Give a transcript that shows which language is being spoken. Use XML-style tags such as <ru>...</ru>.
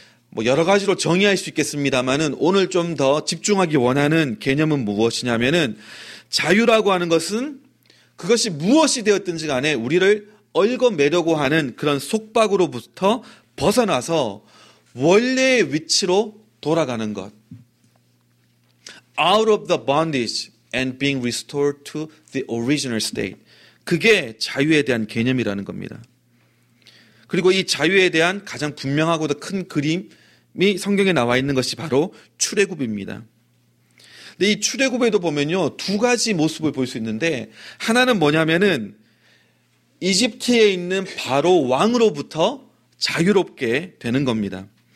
<ko>뭐 여러 가지로 정의할 수 있겠습니다만은 오늘 좀 더 집중하기 원하는 개념은 무엇이냐면은 자유라고 하는 것은 그것이 무엇이 되었든지 간에 우리를 얽어매려고 하는 그런 속박으로부터 벗어나서 원래의 위치로 돌아가는 것.</ko> <en>Out of the bondage and being restored to the original state.</en> <ko>그게 자유에 대한 개념이라는 겁니다. 그리고 이 자유에 대한 가장 분명하고도 큰 그림이 성경에 나와 있는 것이 바로 출애굽입니다. 근데 이 출애굽에도 보면요, 두 가지 모습을 볼 수 있는데, 하나는 뭐냐면은 이집트에 있는 바로 왕으로부터 자유롭게 되는 겁니다.</ko>